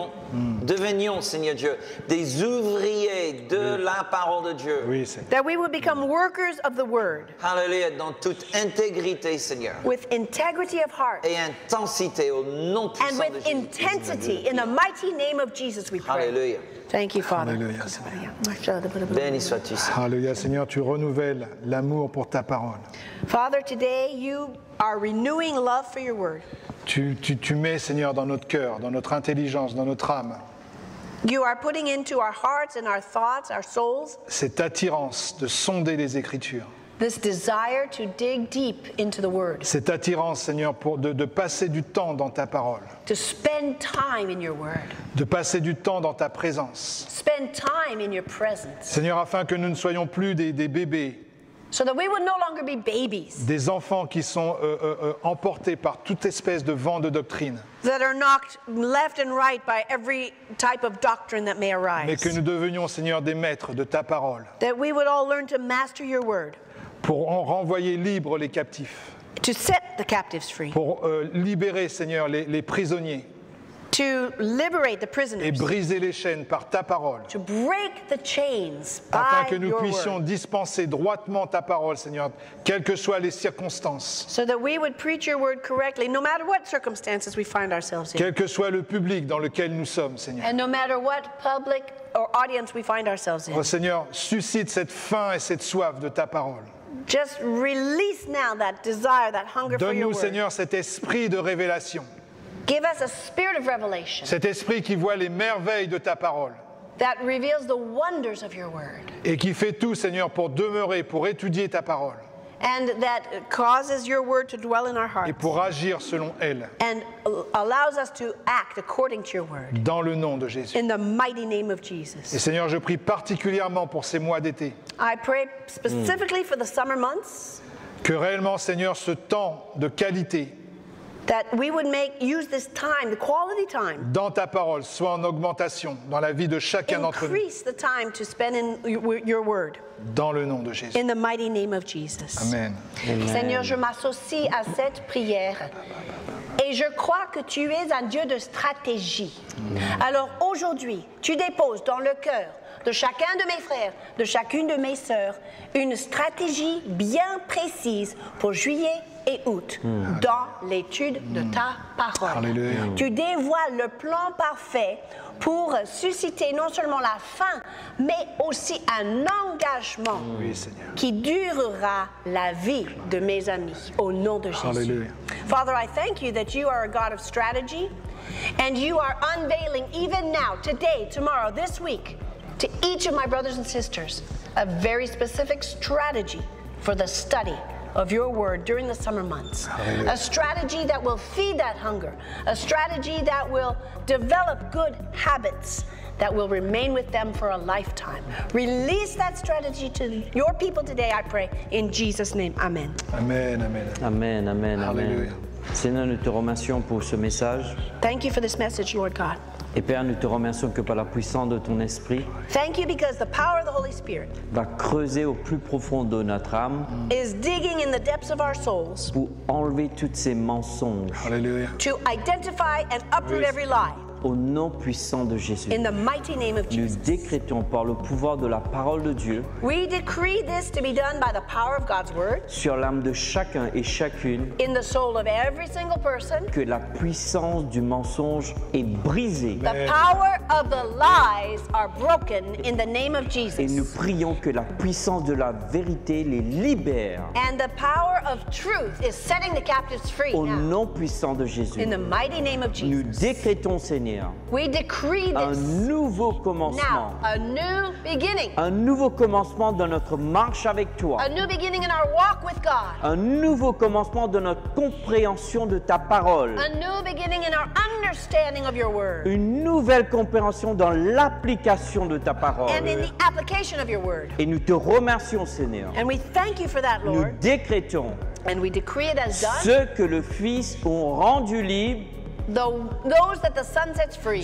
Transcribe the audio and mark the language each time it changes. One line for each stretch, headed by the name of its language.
French: Que nous devenions, Seigneur Dieu, des ouvriers de la parole de Dieu. Oui, Seigneur.
English: That we would become workers of the word.
French: Hallelujah, dans toute intégrité, Seigneur.
English: With integrity of heart.
French: Et intensité au nom puissant de Jésus.
English: And with intensity, in the mighty name of Jesus, we pray. Hallelujah. Thank you, Father.
French: Hallelujah, Seigneur. Béni sois-tu, Seigneur. Hallelujah, Seigneur, tu renouvelles l'amour pour ta parole.
English: Father, today you are renewing love for your word.
French: Tu mets, Seigneur, dans notre cœur, dans notre intelligence, dans notre âme.
English: You are putting into our hearts and our thoughts, our souls.
French: Cette attirance de sonder les Écritures.
English: This desire to dig deep into the word.
French: Cette attirance, Seigneur, pour de passer du temps dans ta parole.
English: To spend time in your word.
French: De passer du temps dans ta présence.
English: Spend time in your presence.
French: Seigneur, afin que nous ne soyons plus des bébés.
English: So that we would no longer be babies.
French: Des enfants qui sont emportés par toute espèce de vent de doctrine.
English: That are knocked left and right by every type of doctrine that may arise.
French: Mais que nous devenions, Seigneur, des maîtres de ta parole.
English: That we would all learn to master your word.
French: Pour en renvoyer libres les captifs.
English: To set the captives free.
French: Pour libérer, Seigneur, les prisonniers.
English: To liberate the prisoners.
French: Et briser les chaînes par ta parole.
English: To break the chains by
French: afin que nous puissions dispenser droitement ta parole, Seigneur, quelles que soient les circonstances.
English: So that we would preach your word correctly, no matter what circumstances we find ourselves in.
French: Quel que soit le public dans lequel nous sommes, Seigneur.
English: And no matter what public or audience we find ourselves in.
French: Oh Seigneur, suscite cette faim et cette soif de ta parole.
English: Just release now that desire, that hunger for your word.
French: Donne-nous, Seigneur, cet esprit de révélation.
English: Give us a spirit of revelation.
French: Cet esprit qui voit les merveilles de ta parole.
English: That reveals the wonders of your word.
French: Et qui fait tout, Seigneur, pour demeurer, pour étudier ta parole.
English: And that causes your word to dwell in our hearts.
French: Et pour agir selon elle.
English: And allows us to act according to your word.
French: Dans le nom de Jésus.
English: In the mighty name of Jesus.
French: Et Seigneur, je prie particulièrement pour ces mois d'été.
English: I pray specifically for the summer months.
French: Que réellement, Seigneur, ce temps de qualité.
English: That we would use this time, the quality time.
French: Dans ta parole, soit en augmentation dans la vie de chacun d'entre nous.
English: Increase the time to spend in your word.
French: Dans le nom de Jésus.
English: In the mighty name of Jesus. Amen.
French: Seigneur, je m'associe à cette prière et je crois que tu es un Dieu de stratégie. Alors aujourd'hui, tu déposes dans le cœur de chacun de mes frères, de chacune de mes sœurs, une stratégie bien précise pour juillet et août dans l'étude de ta parole. Alléluia. Tu dévoiles le plan parfait pour susciter non seulement la faim, mais aussi un engagement qui durera la vie de mes amis au nom de Jésus. Alléluia.
English: Father, I thank you that you are a God of strategy and you are unveiling even now, today, tomorrow, this week, to each of my brothers and sisters, a very specific strategy for the study of your word during the summer months. Hallelujah. A strategy that will feed that hunger, a strategy that will develop good habits that will remain with them for a lifetime. Release that strategy to your people today, I pray, in Jesus' name, amen. Amen, amen. Amen, amen, amen. Hallelujah.
French: Seigneur, nous te remercions pour ce message.
English: Thank you for this message, Lord God.
French: Et Père, nous te remercions que par la puissance de ton esprit,
English: thank you because the power of the Holy Spirit
French: va creuser au plus profond de notre âme,
English: is digging in the depths of our souls,
French: pour enlever toutes ces mensonges, hallelujah,
English: to identify and uproot every lie.
French: Au nom puissant de Jésus,
English: in the mighty name of Jesus.
French: Nous décrétons par le pouvoir de la parole de Dieu,
English: we decree this to be done by the power of God's word,
French: sur l'âme de chacun et chacune,
English: in the soul of every single person,
French: que la puissance du mensonge est brisée,
English: the power of the lies are broken in the name of Jesus,
French: et nous prions que la puissance de la vérité les libère,
English: and the power of truth is setting the captives free,
French: au nom puissant de Jésus,
English: in the mighty name of Jesus.
French: Nous décrétons, Seigneur, Seigneur.
English: We decree this.
French: Un nouveau commencement.
English: Now, a new beginning.
French: Un nouveau commencement dans notre marche avec toi.
English: A new beginning in our walk with God.
French: Un nouveau commencement dans notre compréhension de ta parole.
English: A new beginning in our understanding of your word.
French: Une nouvelle compréhension dans l'application de ta parole.
English: And in the application of your word.
French: Et nous te remercions, Seigneur.
English: And we thank you for that, Lord.
French: Nous décrétons.
English: And we decree it as done.
French: Ceux que le Fils ont rendu libres.
English: Those that the Son sets free